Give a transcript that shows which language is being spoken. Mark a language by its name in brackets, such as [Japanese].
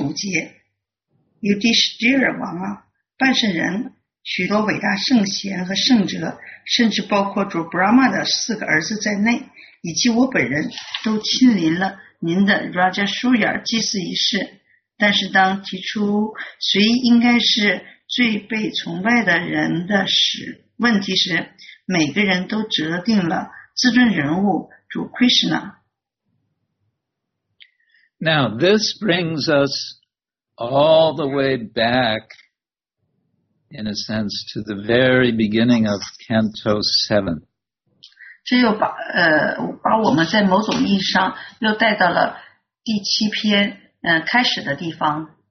[Chinese] 35节 Yudhishthira 王啊，半圣人，许多伟大圣贤和圣哲，甚至包括主 Brahma 的四个儿子在内，以及我本人，都亲临了您的 Rajasuya 祭祀仪式。但是当提出谁应该是最被崇拜的人的问题时，每个人都择定了至尊人物主 Krishna. [English] Now this brings us all the way back, in a sense, to the very beginning of Canto 7. [Chinese] 这又把我们在某种意义上又带到了第七篇开始的地方。